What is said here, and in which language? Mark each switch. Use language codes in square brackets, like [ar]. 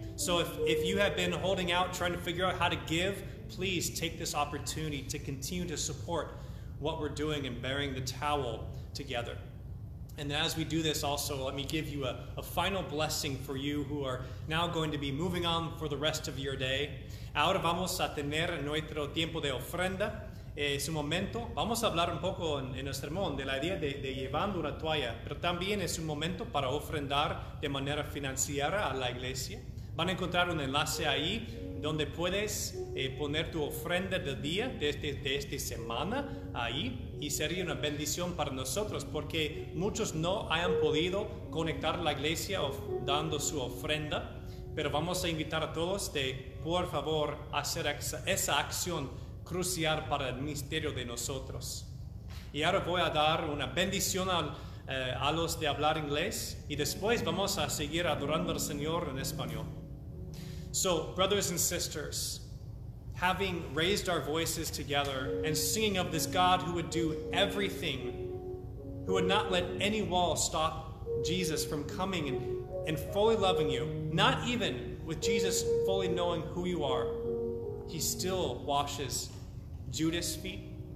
[en] So if you have been holding out trying to figure out how to give, please take this opportunity to continue to support what we're doing and bearing the towel together. And as we do this also, let me give you a final blessing for you who are now going to be moving on for the rest of your day. [es] Ahora vamos a tener nuestro tiempo de ofrenda. Es un momento. Vamos a hablar un poco en el sermón de la idea de llevando una toalla. Pero también es un momento para ofrendar de manera financiera a la iglesia. Van a encontrar un enlace ahí donde puedes poner tu ofrenda del día de esta semana ahí. Y sería una bendición para nosotros porque muchos no hayan podido conectar la iglesia dando su ofrenda. Pero vamos a invitar a todos de, por favor, hacer esa acción crucial para el ministerio de nosotros. Y ahora voy a dar una bendición a los de hablar inglés y después vamos a seguir adorando al Señor en español. [en] So, brothers and sisters, having raised our voices together and singing of this God who would do everything, who would not let any wall stop Jesus from coming and fully loving you, not even with Jesus fully knowing who you are, he still washes Judas' feet.